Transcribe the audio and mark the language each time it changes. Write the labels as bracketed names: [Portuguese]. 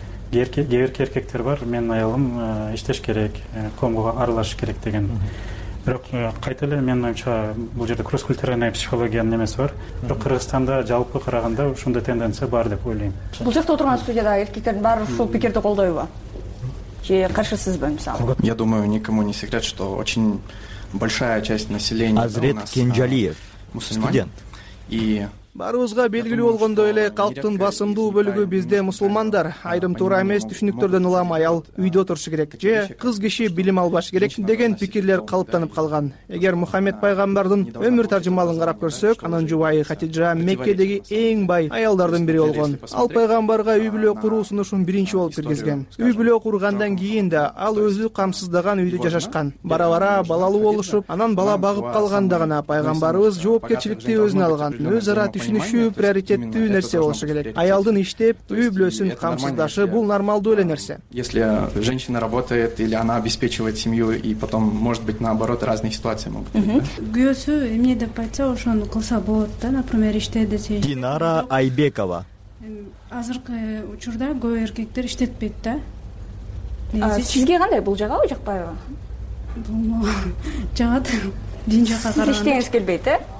[Kyrgyz] Кээ бирки эркектер бар, менин аялым иштеш керек, коомго аралашыш керек деген. Бирок кайта эле менин оюмча бул жерде кросс-культуральная психологиянын эмеси бар. Бирок Кыргызстанда жалпы караганда ушундай тенденция бар деп ойлойм. Бул жакта отурган студияда эркектердин баары ушул пикирди колдойбу? Же каршысызбы мисалы? [Russian] Я думаю, никому не секрет, что очень большая часть населения [Kyrgyz] Азрет Кенжалиев, студент. И Баарыбызга белгилүү болгондой эле калктын басымдуу бөлүгү бизде мусулмандар. Айрым туура эмес түшүнүктөрдөн улам аял үйдө отурушу керек же кыз киши билим албашы керек деген пикирлер калыптанып калган. Эгер Мухаммед пайгамбардын өмүр таржымалын карап көрсөк, анын жубайы Хатижа Меккедеги эң бай аялдардын бири болгон. Ал пайгамбарга үй бүлө куруу сунушун биринчи болуп киргизген. Үй бүлө кургандан кийин да ал өзү камсыздаган үйдө жашашкан. Бара-бара балалуу болушуп, анан бала багып калганда гана пайгамбарыбыз жоопкерчиликти өзүнө алган. Өз ара түшүнүшүү приоритеттүү нерсе болушу керек. Аялдын иштеп, үй бүлөсүн камсыздашы бул нормалдуу эле нерсе. [Russian] Если женщина работает или она обеспечивает семью и потом, может быть, наоборот, разные ситуации могут быть. [Kyrgyz] Күйөсү эмне деп айтса, ошону кылса болот да, например, иштеди десе. Динара Айбекова. Азыркы учурда көп эркектер иштетпейт да. Сизге кандай, бул жагабы, жакпайбы? Болмогу. Жагат. Дин жака караганда. Иштегиңиз келбейт, э?